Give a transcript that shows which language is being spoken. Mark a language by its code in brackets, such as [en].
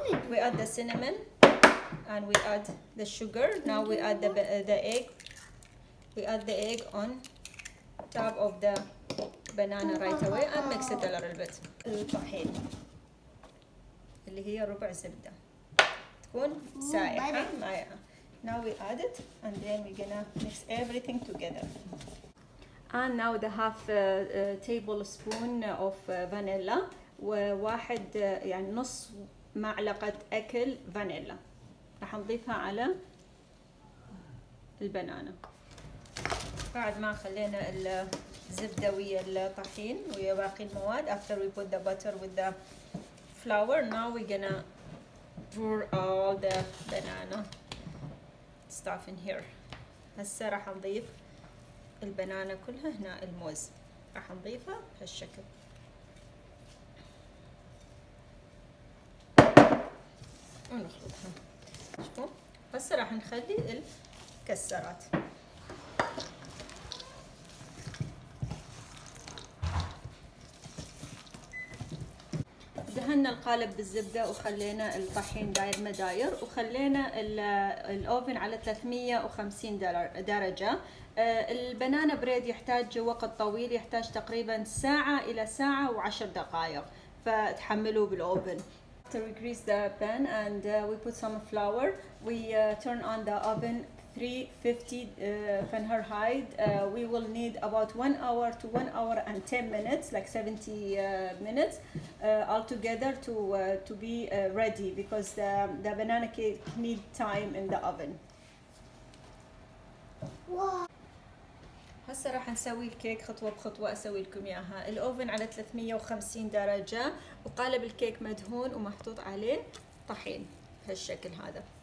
[en] We add the cinnamon and we add the sugar. Now we add the egg. We add the egg on top of the banana right away and mix it a little bit. [ar] الطحين اللي هي ربع زبدة تكون سائحة مايعة. [en] Now we add it and then we're gonna mix everything together. And now the half tablespoon of vanilla [ar] وواحد يعني نص معلقة أكل فانيلا راح نضيفها على البنانة. بعد ما خلينا الزبدة ويا الطحين ويا باقي المواد. [en] After we put the butter with the flour, now we're gonna pour all the banana stuff in here. [ar] هسا راح نضيف البنانة كلها هنا، الموز راح نضيفه بهالشكل. ونخلطها. شوفوا هسا راح نخلي المكسرات. دهنا القالب بالزبدة وخلينا الطحين داير مداير، وخلينا الأوفن على 350 درجة. البنانا بريد يحتاج وقت طويل، يحتاج تقريبا ساعة إلى ساعة وعشر دقائق، فتحملوه بالأوفن. [en] After we grease the pan and we put some flour, we turn on the oven 350 Fahrenheit. We will need about 1 hour to 1 hour and 10 minutes, like 70 minutes altogether to be ready, because the banana cake need time in the oven. [ar] هسه راح نسوي الكيك خطوة بخطوة، أسوي لكم إياها. الأوفن على 350 درجة، وقالب الكيك مدهون ومحطوط عليه طحين بهالشكل هذا.